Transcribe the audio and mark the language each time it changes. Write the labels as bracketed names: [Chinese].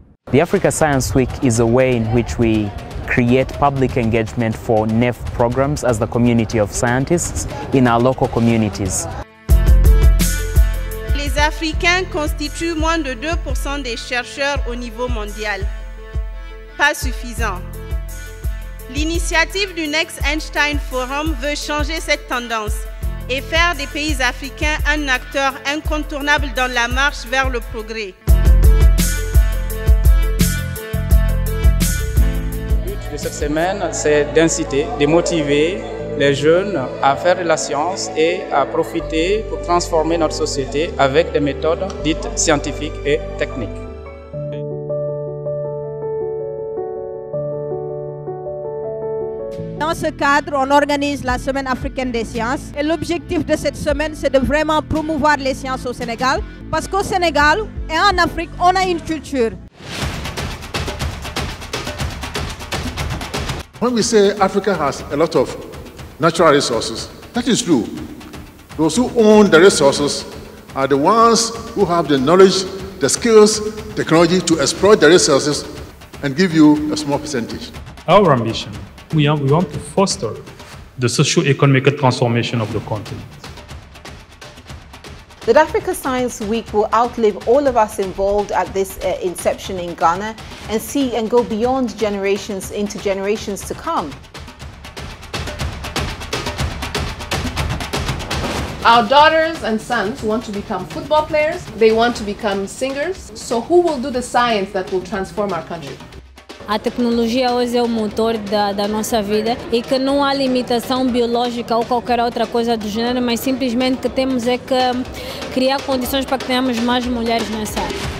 [English] The Africa Science Week is a way in which we create public engagement for NEF programs as the community of scientists in our local communities. [French] Les Africains constituent moins de 2% des chercheurs au niveau mondial. Pas suffisant. L'initiative du Next Einstein Forum veut changer cette tendance et faire des pays africains un acteur incontournable dans la marche vers le progrès. De cette semaine, c'est d'inciter, de motiver les jeunes à faire de la science et à profiter pour transformer notre société avec des méthodes dites scientifiques et techniques. Dans ce cadre, on organise la Semaine africaine des sciences. Et l'objectif de cette semaine, c'est de vraiment promouvoir les sciences au Sénégal. Parce qu'au Sénégal et en Afrique, on a une culture. [English] When we say Africa has a lot of natural resources, that is true. Those who own the resources are the ones who have the knowledge, the skills, technology to exploit the resources and give you a small percentage. Our ambition, we want to foster the socio-economic transformation of the continent. The Africa Science Week will outlive all of us involved at this inception in Ghana and see and go beyond generations into generations to come. Our daughters and sons want to become football players, they want to become singers. So who will do the science that will transform our country? [Portuguese] A tecnologia hoje é o motor da nossa vida e que não há limitação biológica ou qualquer outra coisa do gênero, mas simplesmente que temos é que criar condições para que tenhamos mais mulheres nessa área.